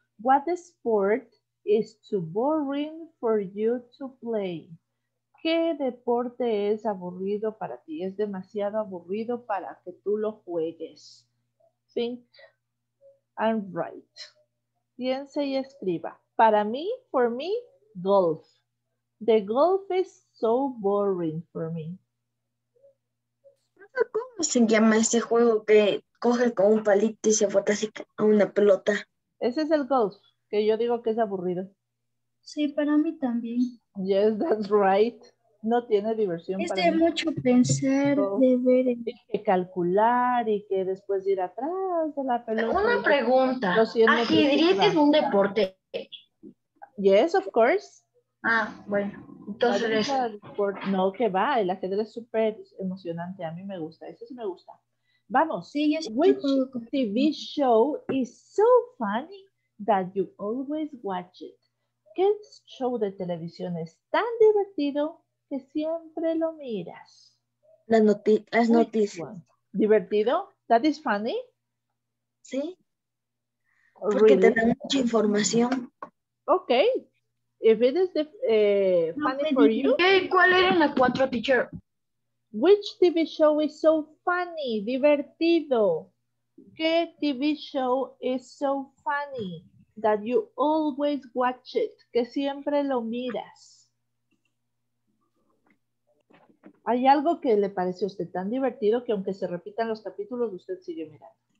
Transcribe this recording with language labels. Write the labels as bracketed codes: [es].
[en] What sport is too boring for you to play? [es] ¿Qué deporte es aburrido para ti? Es demasiado aburrido para que tú lo juegues. [en] Think and write. [es] Piense y escriba. Para mí, [en] for me, golf. The golf is so boring for me. [es] ¿Cómo se llama ese juego que coge con un palito y se bota así a una pelota? Ese es el golf, que yo digo que es aburrido. Sí, para mí también. [en] Yes, that's right. [es] No tiene diversión para mí. Es de mucho pensar, de ver. Y que calcular y que después ir atrás de la pelota. Una pregunta. ¿Ajedrez es un deporte? [en] Yes, of course. [es] Bueno, entonces. No, que va, el ajedrez es súper emocionante, a mí me gusta, eso sí me gusta. Vamos, sí, [en] which TV show is so funny that you always watch it? [es] ¿Qué show de televisión es tan divertido que siempre lo miras? Las noticias. [en] ¿Divertido? ¿That is funny? [es] Sí. Porque te da mucha información. [en] Ok. If it is funny for you. [es] ¿Cuál era la cuatro, teacher? [en] Which TV show is so funny? Divertido. [es] ¿Qué [en] TV show is so funny that you always watch it? [es] Que siempre lo miras. ¿Hay algo que le parece a usted tan divertido que aunque se repitan los capítulos, usted sigue mirando?